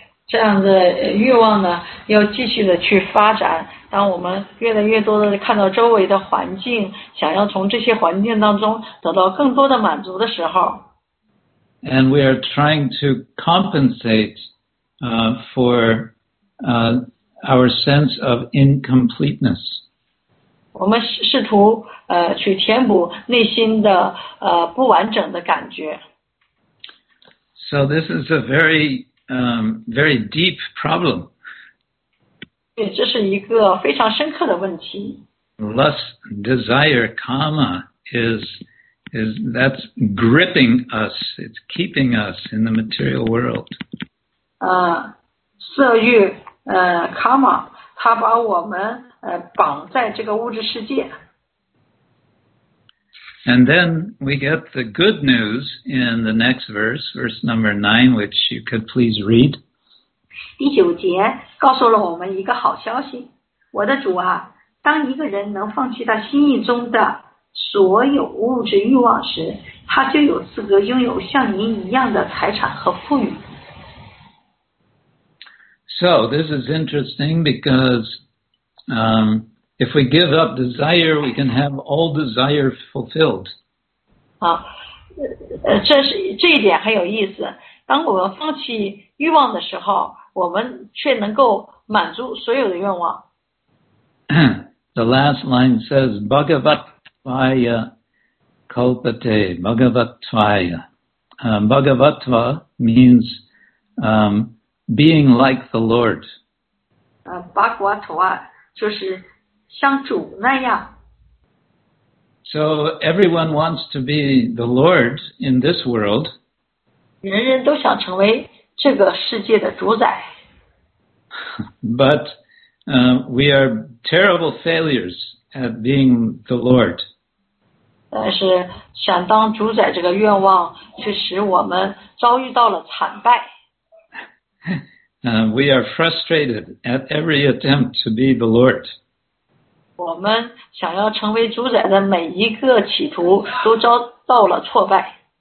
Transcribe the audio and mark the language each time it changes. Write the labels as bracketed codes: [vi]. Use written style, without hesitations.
[zh] 这样的欲望呢，要继续的去发展。当我们越来越多的看到周围的环境，想要从这些环境当中得到更多的满足的时候。 [en] And we are trying to compensate for our sense of incompleteness. [zh] 我们试图去填补内心的不完整的感觉。 [en] So this is a very, very deep problem. [zh] 对，这是一个非常深刻的问题。 [en] Lust, desire, kama is that's gripping us, it's keeping us in the material world. [zh] 色欲karma, 它把我们绑在这个物质世界。 [en] And then we get the good news in the next verse, verse number 9, which you could please read. [zh] 第九节告诉了我们一个好消息。我的主啊，当一个人能放弃他心意中的所有物质欲望时，他就有资格拥有像您一样的财产和富裕。 [en] So this is interesting because if we give up desire, we can have all desire fulfilled. [zh] 这一点很有意思。当我们放弃欲望的时候，我们却能够满足所有的愿望。 [en] The last line says, [sa] Bhagavat Tvaya Kalpate, Bhagavat Tvaya. [en] Bhagavat Tva means being like the Lord. [zh] Bhagavat Tva 就是像主那样。 [en] So everyone wants to be the Lord in this world. [zh] 人人都想成为这个世界的主宰。 [en] But we are terrible failures at being the Lord. [zh] 但是想当主宰这个愿望却使我们遭遇到了惨败。 [en] We are frustrated at every attempt to be the Lord. [zh] 我们想要成为主宰的每一个企图都遭到了挫败。